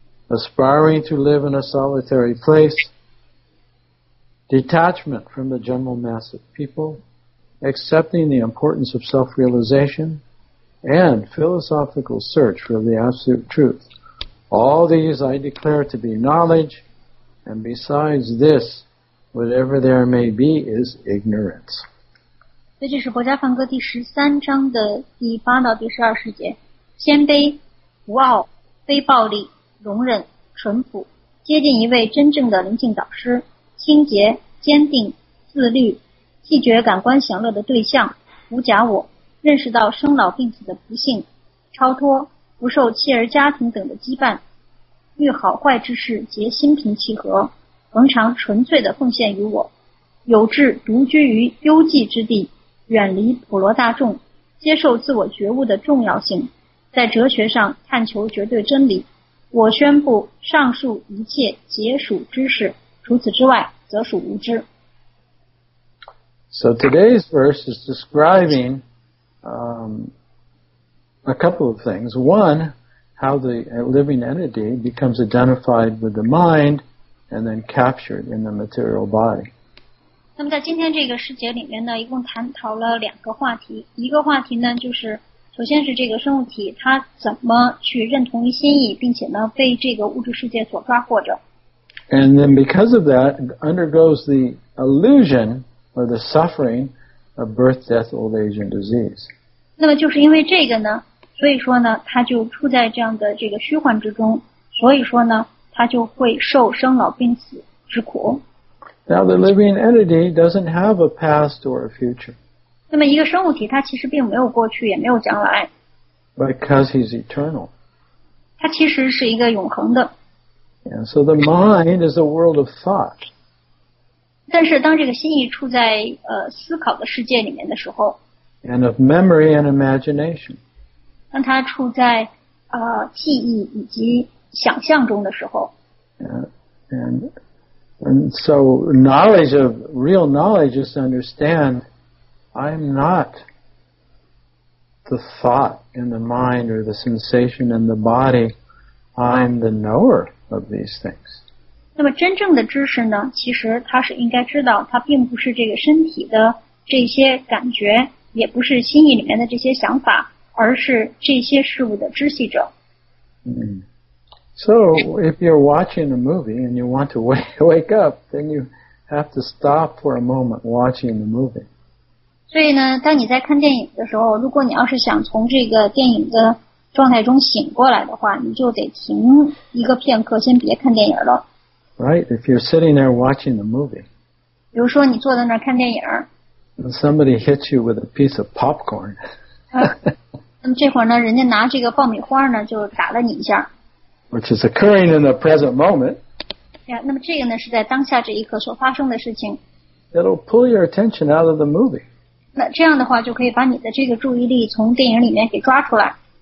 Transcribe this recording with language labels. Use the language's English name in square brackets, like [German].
[English] aspiring to live in a solitary place, detachment from the general mass of people, accepting the importance of self-realization, and philosophical search for the absolute truth. All these I declare to be knowledge, and besides this, whatever there may be is ignorance. [Chinese] 这就是国家梵歌第十三章的第八到第十二十节，谦卑、无傲、非暴力、容忍、淳朴，接近一位真正的灵性导师，清洁、坚定、自律，弃绝感官享乐的对象，无假我，认识到生老病死的不幸，超脱，不受妻儿家庭等的羁绊，遇好坏之事皆心平气和，恒常纯粹的奉献于我，有志独居于幽寂之地，远离普罗大众，接受自我觉悟的重要性，在哲学上探求绝对真理。我宣布上述一切皆属知识，除此之外则属无知。 [English] So today's verse is describing a couple of things. One, how the living entity becomes identified with the mind and then captured in the material body. [Chinese] 那么在今天这个世界里面呢，一共探讨了两个话题。一个话题呢，就是首先是这个生物体它怎么去认同于心意，并且呢被这个物质世界所抓获着。 [English] And then because of that, undergoes the illusion or the suffering of birth, death, old age, and disease. [Chinese] 那么就是因为这个呢，所以说呢，它就处在这样的这个虚幻之中，所以说呢，它就会受生老病死之苦。 [English] Now the living entity doesn't have a past or a future. [Chinese] 那么一个生物体它其实并没有过去也没有将来。 [English] Because he's eternal. [Chinese] 它其实是一个永恒的。 [English] And so the mind is a world of thought. [Chinese] 但是当这个心意处在思考的世界里面的时候。 [English] And of memory and imagination. [Chinese] 当它处在记忆以及想象中的时候。 [English] And so real knowledge is to understand I'm not the thought and the mind or the sensation and the body. I'm the knower of these things. [Chinese] 那么真正的知识呢，其实它是应该知道它并不是这个身体的这些感觉，也不是心意里面的这些想法，而是这些事物的知悉者。 [English] So if you're watching a movie and you want to wake up, then you have to stop for a moment watching the movie. [Chinese] 所以呢，当你在看电影的时候，如果你要是想从这个电影的状态中醒过来的话，你就得停一个片刻，先别看电影了。 [English] Right, if you're sitting there watching the movie. [Chinese] 比如说你坐在那儿看电影。 [English] And somebody hits you with a piece of popcorn. [Chinese] 那么这会儿呢，人家拿这个爆米花呢，就打了你一下。 [English] Which is occurring in the present moment. [Chinese] Yeah, 那么这个呢是在当下这一刻所发生的事情。 [English] It'll pull your attention out of the movie. [Chinese] 那这样的话就可以把你的这个注意力从电影里面给抓出来。